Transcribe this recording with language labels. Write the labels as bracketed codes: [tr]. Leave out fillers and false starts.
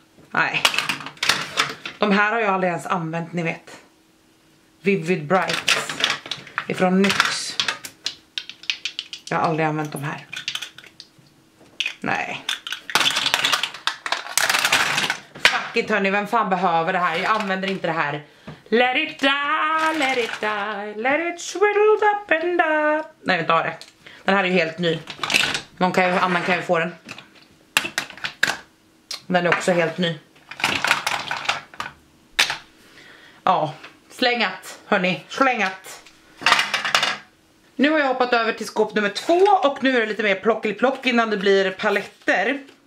[sv] Nej. De här har jag aldrig ens använt, ni vet. Vivid Brights. Ifrån NYX. Jag har aldrig använt de här. Nej. Hörni, vem fan behöver det här? Jag använder inte det här. [en] Let it die, let it die, let it swiddled up and die. [sv] Nej, jag vet inte ha det. Den här är ju helt ny. Någon kan ju, annan kan ju få den. Den är också helt ny. Ja, slängat hörni, slängat. Nu har jag hoppat över till skåp nummer 2 och nu är det lite mer plockeliplock innan det blir paletter.